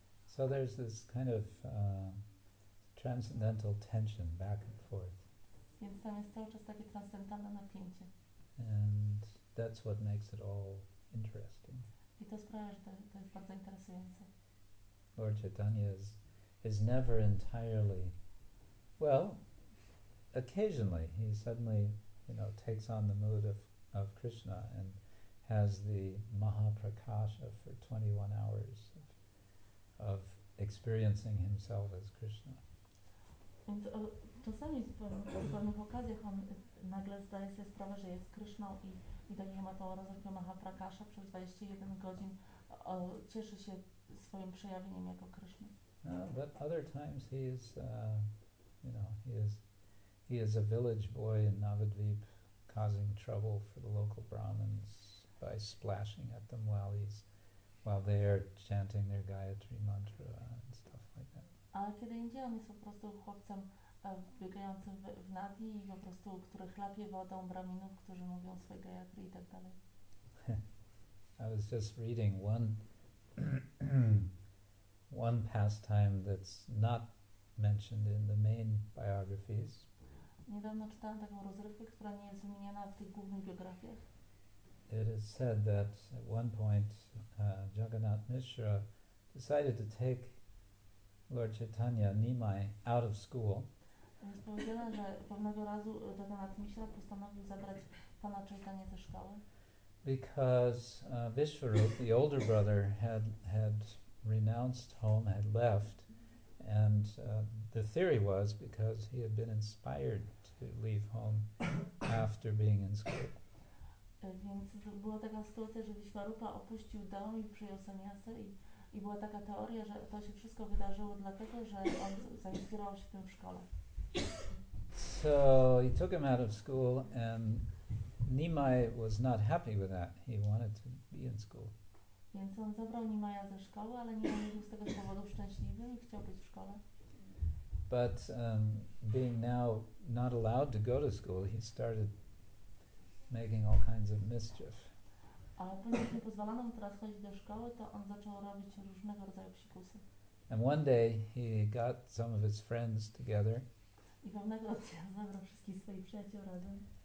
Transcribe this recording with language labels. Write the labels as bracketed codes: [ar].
[en] So there's this kind of transcendental tension back and forth. [pl] Więc tam jest cały czas takie transcendentalne napięcie. [en] And that's what makes it all interesting. [pl] I to sprawia, że to jest bardzo interesujące. [en] Lord Chaitanya is never entirely, well, occasionally he suddenly, you know, takes on the mood of Krishna and has the Mahaprakasha for 21 hours of experiencing himself as Krishna. [pl] Więc czasami w pewnych okazjach on nagle zdaje sobie sprawę, że jest Krishna i do niego ma to rozrywkę Mahaprakasha przez 21 godzin, cieszy się swoim przejawieniem jako Krishna. [en] No, but other times he is, you know, he is a village boy in Navadvip, causing trouble for the local Brahmins by splashing at them while they are chanting their Gayatri mantra and stuff like that. [pl] Ale kiedy indziej on jest po prostu chłopcem biegającym w Nadi i po prostu który chlapie wodą Brahminów, którzy mówią swoje Gayatri i tak dalej. [en] I was just reading one. One pastime that's not mentioned in the main biographies. [pl] Niedawno czytałam taką rozrywkę, która nie jest wymieniona w tych głównych biografiach. [en] It is said that at one point Jagannath Mishra decided to take Lord Chaitanya Nimai out of school. [pl] Jest powiedziane, że pewnego razu Jagannath Mishra postanowił zabrać pana Chaitanya ze szkoły. [en] Because Vishwarup, the older brother, had renounced home, had left, and the theory was because he had been inspired to leave home after being in school. [pl] Więc była taka sytuacja, że Vishwarupa opuścił dom i przyjął sannyasa i była taka teoria, że to się wszystko wydarzyło dlatego, że on zainspirował się tym w szkole. [en] So he took him out of school and Nimai was not happy with that. He wanted to be in school. [pl] Więc on zabrał Nimaja ze szkoły, ale Nimaj nie był z tego powodu szczęśliwy i chciał być w szkole. [en] But being now not allowed to go to school, he started making all kinds of mischief. [pl] A ponieważ nie pozwalano mu teraz chodzić do szkoły, to on zaczął robić różnego rodzaju psikusy. [en] And one day he got some of his friends together. [pl] I pewnego dnia zabrał wszystkich swoich przyjaciół razem.